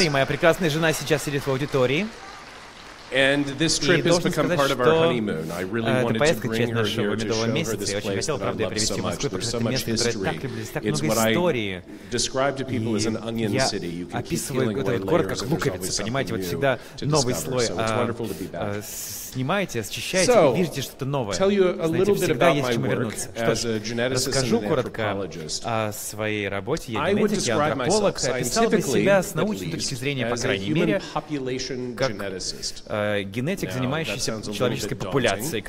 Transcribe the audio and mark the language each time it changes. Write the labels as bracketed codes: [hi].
[ru] И моя прекрасная жена сейчас сидит в аудитории. [en] And this trip has become part of our honeymoon. I really wanted to bring her here to show her this place that I love so much. There's so much history. It's what I describe to people as an onion city. You can keep peeling away layers, and there's always something new to discover. So it's wonderful to be back. [ru] Снимаете, очищаете и видите что-то новое. Знаете, всегда есть чему вернуться. Что ж, расскажу коротко о своей работе. Я генетик, я антрополог. Описал бы себя с научной точки зрения, по крайней мере, как генетик, занимающийся человеческой популяцией.